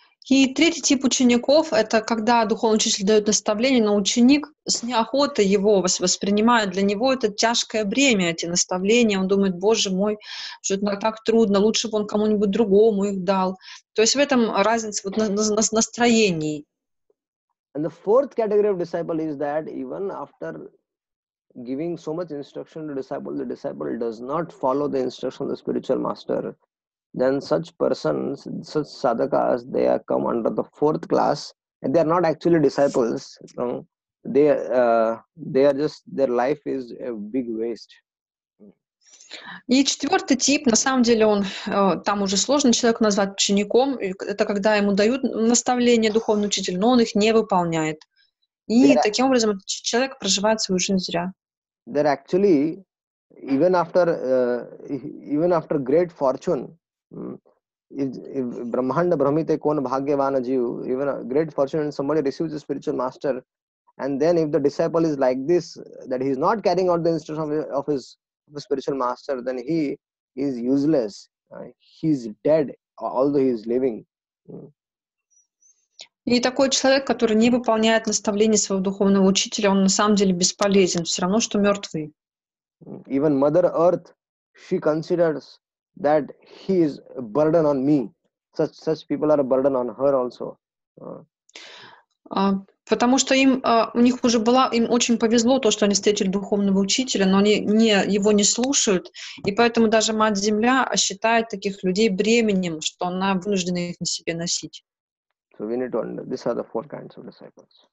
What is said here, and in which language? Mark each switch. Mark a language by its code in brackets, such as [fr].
[ru] И третий тип учеников — это когда духовный учитель дает наставление, но ученик с неохотой его воспринимает. Для него это тяжкое бремя, эти наставления. Он думает, боже мой, что это так трудно, лучше бы он кому-нибудь другому их дал. То есть в этом разница вот на настроении. [en] And the fourth category of disciple is that even after giving so much instruction to the disciple does not follow the instruction of the spiritual master. Then such persons, such sadhakas, they are come under the fourth class, and they are not actually disciples. You know? They are just, their life is a big waste. [ru] И четвертый тип, на самом деле он там уже сложно человека назвать учеником. Это когда ему дают наставление духовный учитель, но он их не выполняет. И таким образом человек проживает свою жизнь зря. [en] They're actually even after great fortune. If [bn] Brahmanda Brahmite Kon Bhagyavana Jiv, [en] even a great fortune, and somebody receives a spiritual master, and then if the disciple is like this, that he is not carrying out the instruction of his spiritual master, then he is useless. He is dead, although he is living. [ru] И такой человек, который не выполняет наставления своего духовного учителя, он на самом деле бесполезен, все равно что мертвый. [en] Even Mother Earth, she considers that he is a burden on me. Such people are a burden on her also. [ru] Потому что им у них уже было, им очень повезло то, что они встретили духовного учителя, но они не его не слушают, и поэтому даже Мать Земля считает таких людей бременем, что она вынуждена их на себе носить. [en] So we need to understand. These are the four kinds of disciples.